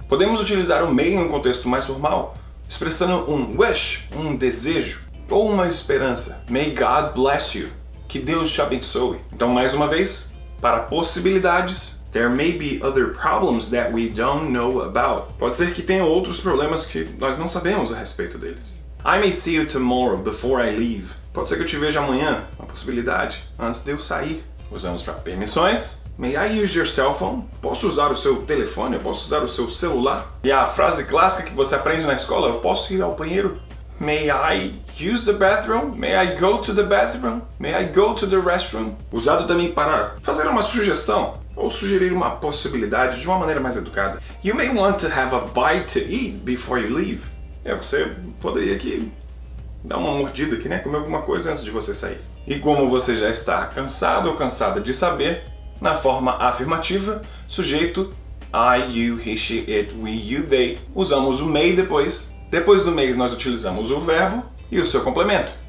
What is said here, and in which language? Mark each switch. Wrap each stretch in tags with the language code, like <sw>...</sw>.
<pt>Podemos utilizar o may em um contexto mais formal, expressando um wish, um desejo, ou uma esperança.</pt> <en>May God bless you.</en> <pt>Que Deus te abençoe. Então, mais uma vez, para possibilidades,</pt> <en>there may be other problems that we don't know about.</en> <pt>Pode ser que tenha outros problemas que nós não sabemos a respeito deles.</pt> <en>I may see you tomorrow before I leave.</en> <pt>Pode ser que eu te veja amanhã, uma possibilidade, antes de eu sair. Usamos para permissões.</pt> <en>May I use your cell phone?</en> <pt>Posso usar o seu telefone? Eu posso usar o seu celular? E a frase clássica que você aprende na escola, eu posso ir ao banheiro?</pt> <en>May I use the bathroom? May I go to the bathroom? May I go to the restroom?</en> <pt>Usado também para fazer uma sugestão ou sugerir uma possibilidade de uma maneira mais educada.</pt> <en>You may want to have a bite to eat before you leave.</en> <pt>É, você poderia aqui dar uma mordida aqui, né? Comer alguma coisa antes de você sair. E como você já está cansado ou cansada de saber, na forma afirmativa, sujeito,</pt> <en>I, you, he, she, it, we, you, they,</en> <pt>usamos o may depois. Depois do may, nós utilizamos o verbo e o seu complemento.</pt>